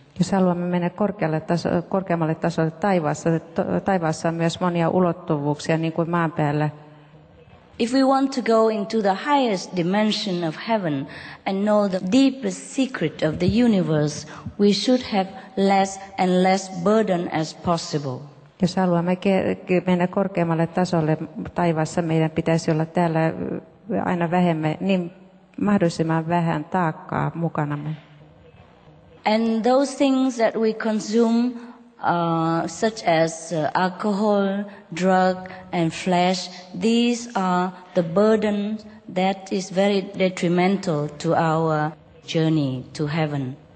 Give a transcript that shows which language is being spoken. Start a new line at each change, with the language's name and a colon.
Finnish: Jos haluamme mennä korkeammalle tasolle taivaassa, taivaassa on myös monia ulottuvuuksia, niin kuin maan päällä.
English: If we want to go into the highest dimension of heaven and know the deepest secret of the universe, we should have less and less burden as possible.
Finnish: Jos haluamme mennä korkeammalle tasolle taivaassa, meidän pitäisi olla täällä aina vähemmän, niin mahdollisimman vähän taakkaa mukanamme.
English: And those things that we consume, such as alcohol, drug, and flesh, these are the burden that is very detrimental to our journey to heaven.